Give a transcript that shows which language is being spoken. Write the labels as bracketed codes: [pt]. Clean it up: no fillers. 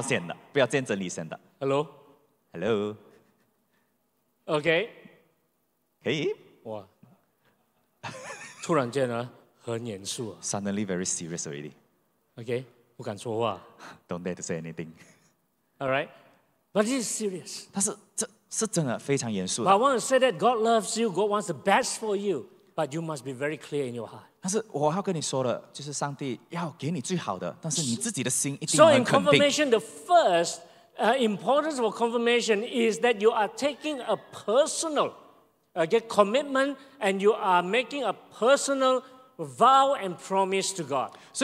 [zh] 所以我很常呢，在这个的见证里崇拜呢，我都会跟那种领受见证里的说呢，就是说，你听了这篇道过，你真的觉得你没有预备好的话，其实你可以暂时不要见的，不要见证里先的。 [en] Hello? Hello? Okay? [zh] 可以。哇，突然间呢，很严肃啊。 [en] Suddenly very serious already. [zh] Okay? 不敢说话。 [en] Don't dare to say anything. All right? But this is serious. [zh] 但是这 是真的非常严肃的。 [en] But I want to say that God loves you, God wants the best for you, but you must be very clear in your heart. [zh] 但是我要跟你说的，就是上帝要给你最好的，但是你自己的心一定很肯定。 [en] So in confirmation, the first importance of confirmation is that you are taking a personal commitment and you are making a personal vow and promise to God.